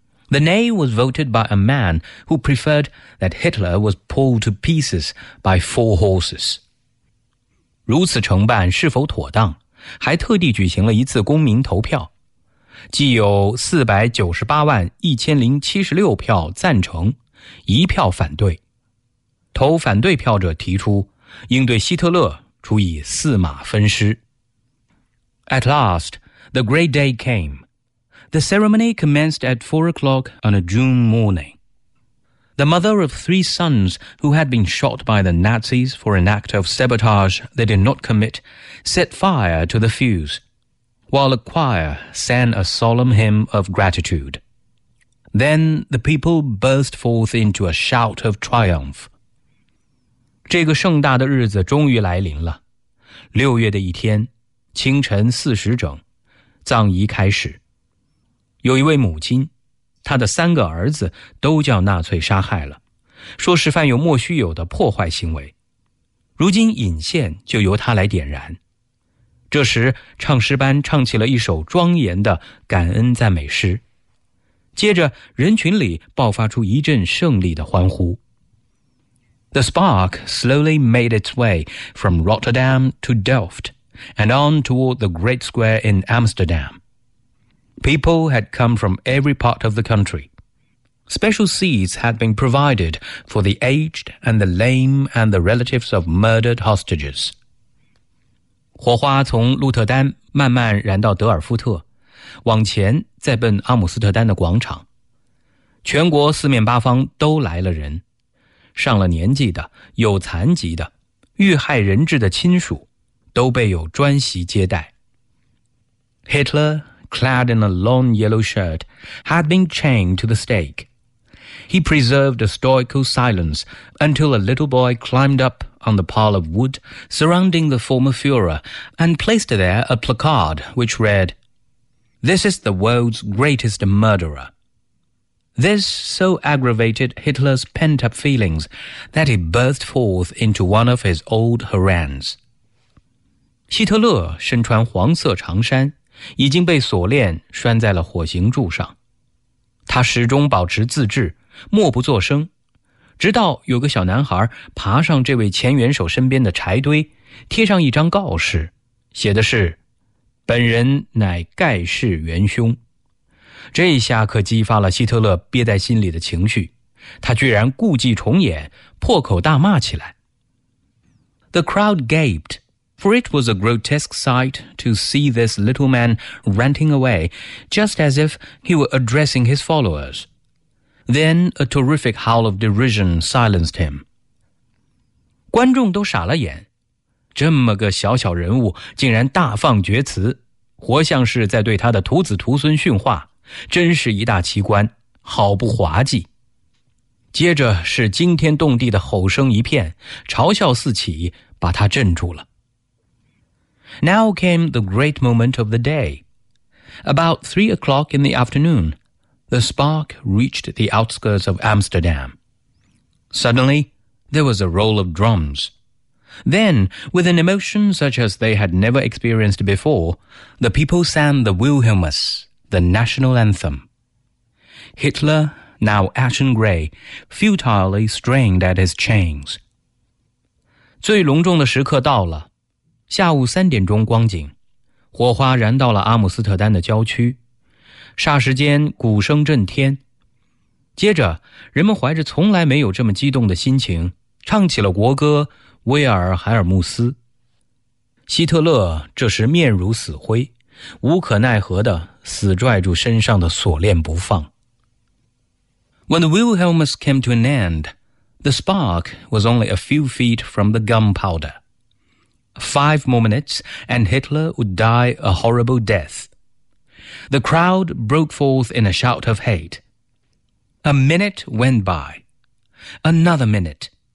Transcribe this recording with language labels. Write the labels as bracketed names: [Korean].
[English] The nay was voted by a man who preferred that Hitler was pulled to pieces by four horses. [Chinese] 如此承办是否妥当？还特地举行了一次公民投票，既有4,981,076票赞成，一票反对。投反对票者提出，应对希特勒处以四马分尸。 [English] At last, the great day came. The ceremony commenced at 4 o'clock on a June morning. The mother of three sons who had been shot by the Nazis for an act of sabotage they did not commit set fire to the fuse, while a choir sang a solemn hymn of gratitude. Then the people burst forth into a shout of triumph. [Chinese] 这个盛大的日子终于来临了。六月的一天，清晨四时整，葬仪开始。有一位母亲，她的三个儿子都叫纳粹杀害了，说是犯有莫须有的破坏行为。如今引线就由她来点燃。这时，唱诗班唱起了一首庄严的感恩赞美诗。接着，人群里爆发出一阵胜利的欢呼。 [English] The spark slowly made its way from Rotterdam to Delft and on toward the great square in Amsterdam. People had come from every part of the country. Special seats had been provided for the aged and the lame and the relatives of murdered hostages. [Chinese] 火花从鹿特丹慢慢燃到德尔夫特，往前再奔阿姆斯特丹的广场。全国四面八方都来了人。上了年纪的，有残疾的，遇害人质的亲属，都备有专席接待。 [English] Hitler, clad in a long yellow shirt, had been chained to the stake. He preserved a stoical silence until a little boy climbed up on the pile of wood surrounding the former Führer and placed there a placard which read, This is the world's greatest murderer. This so aggravated Hitler's pent-up feelings that he burst forth into one of his old harangues. [Chinese] 希特勒身穿黄色长衫，已经被锁链拴在了火刑柱上。他始终保持自制，默不作声，直到有个小男孩爬上这位前元首身边的柴堆，贴上一张告示，写的是本人乃盖世元凶。这一下可激发了希特勒憋在心里的情绪，他居然故伎重演，破口大骂起来。 [English] The crowd gaped, for it was a grotesque sight to see this little man ranting away, just as if he were addressing his followers. Then a terrific howl of derision silenced him. [Chinese] 观众都傻了眼，这么个小小人物竟然大放厥词，活像是在对他的徒子徒孙训话。真是一大奇观，好不滑稽。接着是惊天动地的吼声一片，嘲笑四起，把他镇住了。 [English] Now came the great moment of the day. About 3 o'clock in the afternoon, the spark reached the outskirts of Amsterdam. Suddenly, there was a roll of drums. Then, with an emotion such as they had never experienced before, the people sang the Wilhelmus. The national anthem. Hitler, now ashen gray, futilely strained at his chains. [Chinese] 最隆重的时刻到了，下午3点钟光景，火花燃到了阿姆斯特丹的郊区，霎时间鼓声震天。接着，人们怀着从来没有这么激动的心情，唱起了国歌《威尔海尔穆斯》。希特勒这时面如死灰，无可奈何地死拽住身上的锁链不放。 [English] When the Wilhelmus came to an end, the spark was only a few feet from the gunpowder. 5 more minutes, and Hitler would die a horrible death. The crowd broke forth in a shout of hate. A minute went by. Another minute.